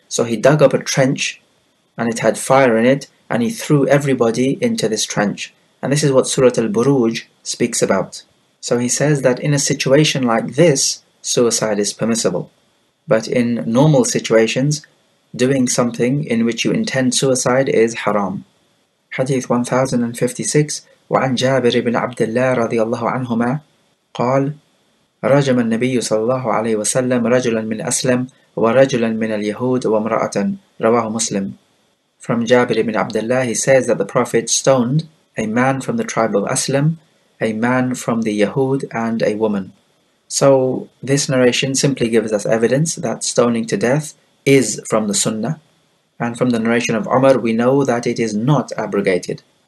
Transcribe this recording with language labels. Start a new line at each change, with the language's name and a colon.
English: So he dug up a trench and it had fire in it, and he threw everybody into this trench. And this is what Surah Al-Buruj speaks about. So he says that in a situation like this, suicide is permissible. But in normal situations, doing something in which you intend suicide is haram. Hadith 1056.
Arabic: وعن جابر بن عبد الله رضي الله عنهما قال رجم النبي صلى الله عليه وسلم رجلا من أسلم وَرَجُلًا مِنَ الْيَهُودِ وَامْرَأَةً رواه مسلم.
English: From Jabir ibn Abdullah, he says that the Prophet stoned a man from the tribe of Aslam, a man from the Yahud, and a woman. So this narration simply gives us evidence that stoning to death is from the Sunnah, and from the narration of Umar we know that it is not abrogated.